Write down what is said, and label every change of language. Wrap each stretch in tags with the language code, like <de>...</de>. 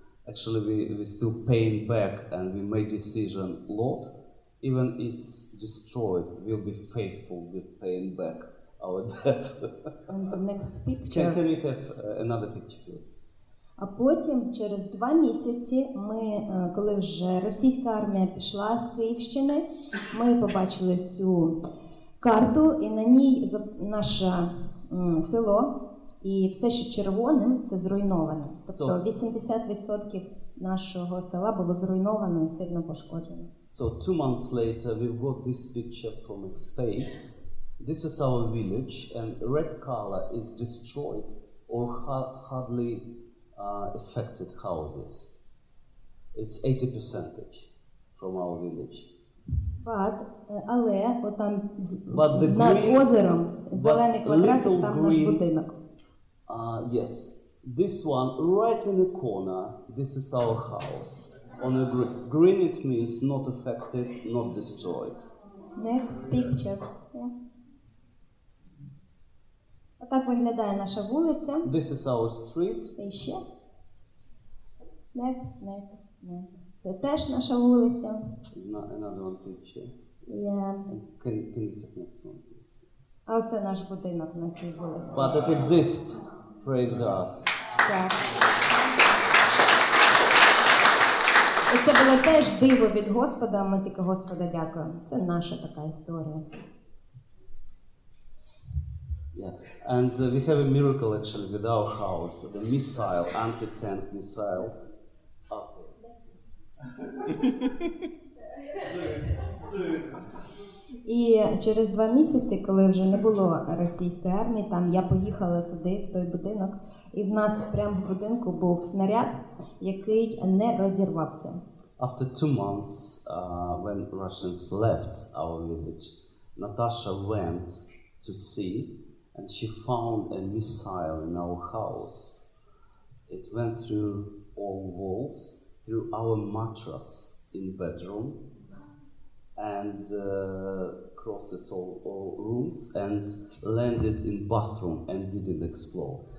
<en>Actually, we still paying back, and we made decision, Lord, even it's destroyed, we'll be faithful with paying back our debt. And the next picture. Can we have another picture, please?</en> <uk>А потім, через два місяці, ми, коли вже російська армія пішла з Київщини, ми побачили цю карту, і на ній наше село, і все, що червоним, це зруйноване. Тобто 80% нашого села було зруйновано і сильно пошкоджено.</uk> <en>So, 2 months later, we've got this picture from a space. This is our village, and red color is destroyed or hardly affected houses. It's 80% from our village. But,</en> <uk>але, отам,</uk> <en>but the green,</en> <uk>над озером, зелений квадратик, там</uk> <en>green,</en> <uk>наш будинок.</uk> <en>Yes, this one, right in the corner, this is our house. On a green it means not affected, not destroyed. Next picture. Yeah.</en> <uk>Отак виглядає наша вулиця.</uk> <en>This is our street.</en> <uk>І ще.</uk> <en>Next.</en> <uk>Це теж наша вулиця.</uk> <en>Another one picture. Yeah. Can you click next one, please?</en> <uk>А оце наш будинок на цій вулиці.</uk> <en>But it exists. Praise God.</en> <uk>Так. І це було теж диво від Господа, ми тільки Господа дякуємо. Це наша така історія.</uk> <en>Yeah. And we have a miracle actually with our house, the missile, anti-tank missile.</en> <uk>І через два місяці, коли вже не було російської армії, там я поїхала туди, в той будинок, і в нас прямо в будинку був снаряд, який не розірвався.</uk> <en>After 2 months, when Russians left our village, Natasha went to see, and she found a missile in our house. It went through all walls, through our mattress in bedroom, and crosses all rooms, and landed in bathroom and didn't explode.</en>